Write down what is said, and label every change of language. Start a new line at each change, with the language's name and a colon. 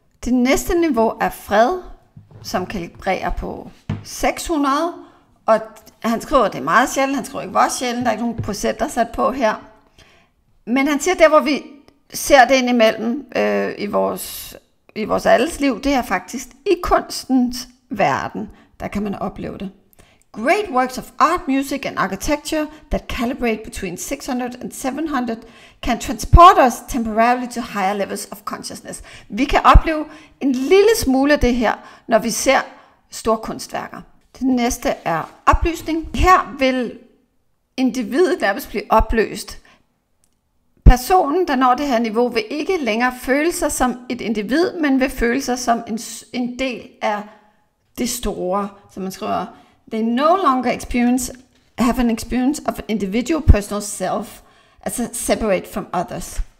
Danish: Det næste niveau er fred, som kalibrerer på 600, og han skriver, det er meget sjældent, han skriver ikke, hvor sjældent, der er ikke nogen procenter sat på her. Men han siger, der hvor vi ser det ind imellem i vores alles liv, det er faktisk i kunstens verden, der kan man opleve det.
English: Great works of art, music and architecture that calibrate between 600 and 700 can transport us temporarily to higher levels of consciousness.
Danish: Vi kan opleve en lille smule af det her, når vi ser store kunstværker. Det næste er oplysning. Her vil individet nærmest blive opløst. Personen, der når det her niveau, vil ikke længere føle sig som et individ, men vil føle sig som en del af det store, som man skriver.
English: They no longer have an experience of an individual personal self, altså separate from others.